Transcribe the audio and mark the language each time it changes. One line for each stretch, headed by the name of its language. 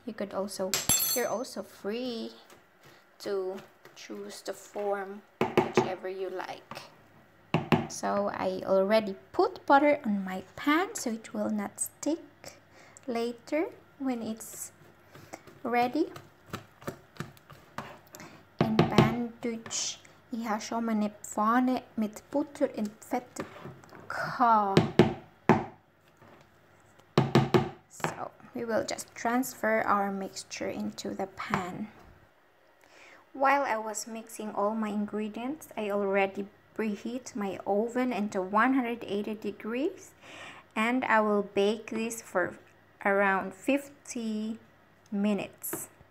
English: You could also, you're also free to choose the form whichever you like. So I already put butter on my pan so it will not stick later when it's ready.
German: En pan Deutsch, ich habe schon meine Pfanne mit Butter und Fett gehabt.
English: So we will just transfer our mixture into the pan. While I was mixing all my ingredients, I already preheat my oven into 180 degrees, and I will bake this for around 50 minutes.